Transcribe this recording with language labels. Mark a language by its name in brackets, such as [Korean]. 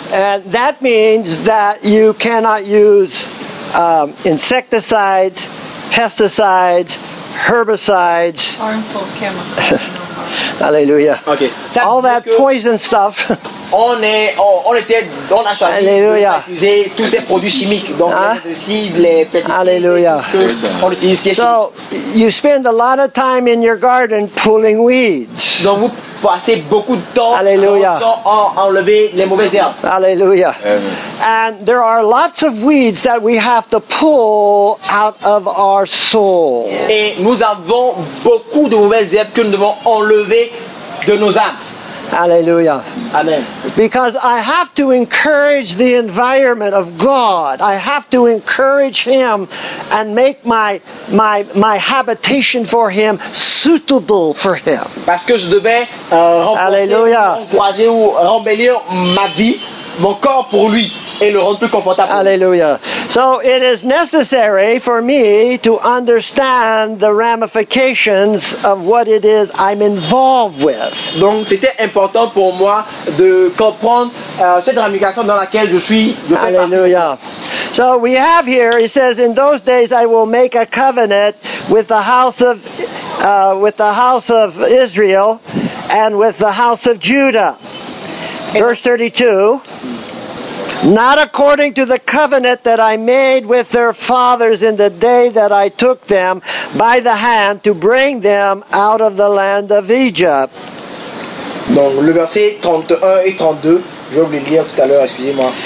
[English] And that means that you cannot use insecticides, pesticides, herbicides. Harmful chemicals. Hallelujah. Okay. All that poison stuff. [French] On a choisi d'utiliser tous ces produits chimiques, donc les pesticides. [English] So you spend a lot of time in your garden pulling weeds. [French] Donc vous passez beaucoup de temps en enlever les mauvaises herbes. [English] Hallelujah. And there are lots of weeds that we have to pull out of our soul. [French] Et nous avons beaucoup de mauvaises herbes que nous devons enlever de nos âmes. [English] Hallelujah. Amen. Because I have to encourage the environment of God. I have to encourage Him and make my habitation for Him suitable for Him. [French] Parce que je devais renforcer ou embellir ma vie, mon corps pour lui et le rendre plus confortable. [English] Hallelujah. So it is necessary for me to understand the ramifications of what it is I'm involved with. [French] Donc c'était important pour moi de comprendre cette ramification dans laquelle je suis. [English] Hallelujah. So we have here, it says, in those days I will make a covenant with the house of Israel and with the house of Judah. Verse 32, not according to the covenant that I made with their fathers in the day that I took them by the hand to bring them out of the land of Egypt. [French] Donc le verset 31 et 32, je vais oublier de lire tout à l'heure, excusez-moi.